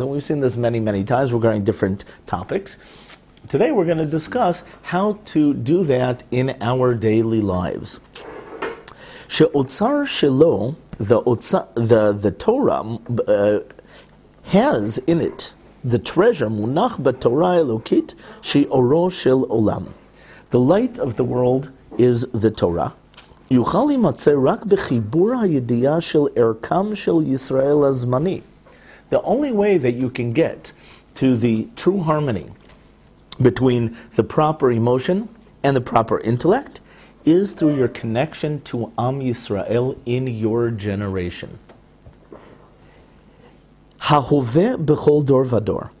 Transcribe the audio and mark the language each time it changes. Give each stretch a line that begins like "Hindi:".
English: And we've seen this many, many times regarding different topics. Today we're going to discuss how to do that in our daily lives.
Hebrew: She'otzar shelo,
English: the Torah has in it the treasure,
Hebrew: munach b'Torah Elokit, she'oro shel olam.
English: The light of the world is the Torah.
Hebrew: יוכל להימצא רק בחיבור הידיעה של ערכם של ישראל הזמני.
English: The only way that you can get to the true harmony between the proper emotion and the proper intellect is through your connection to Am Yisrael in your generation.
Hebrew: Ha-hove b'chol dor v'dor.